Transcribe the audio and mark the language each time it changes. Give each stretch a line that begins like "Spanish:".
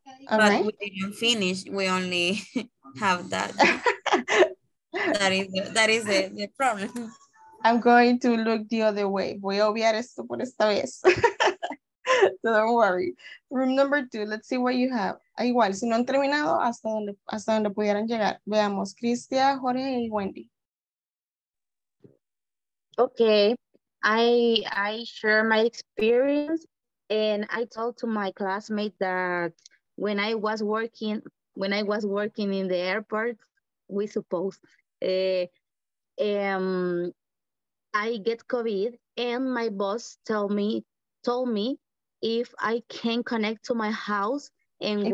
English: All right. We didn't finish, we only have that. that is the problem. I'm going to look the other way.
Spanish: Voy a obviar esto por esta vez.
English: So don't worry. Room number two, let's see what you have.
Spanish: Igual, si no han terminado, hasta donde pudieran llegar. Veamos, Cristia, Jorge y Wendy.
English: Okay, I share my experience and I told to my classmate that when I was working in the airport, we suppose, I get COVID and my boss told me if I can connect to my house and